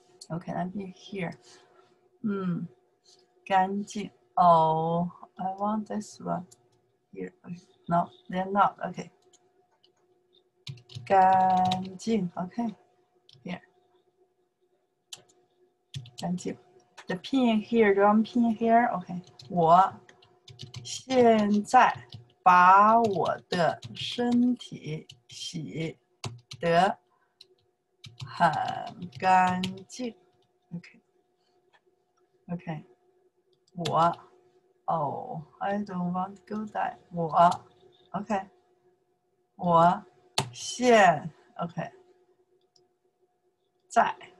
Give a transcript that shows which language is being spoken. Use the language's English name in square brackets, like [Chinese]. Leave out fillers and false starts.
[English] Okay, let me hear. Hmm. [Chinese] 干净. [English] Oh, I want this one. Here. No, they are not. Okay. [Chinese] 干净. [English] Okay. Here. [Chinese] 干净. [English] The pin here, do you want pin here? Okay. [Chinese] 我现在把我的身体洗得很干净. [English] Okay. Okay. [Chinese] 我, [English] oh, I don't want to go there. [Chinese] 我, [English] okay. [Chinese] 我现, okay. 在.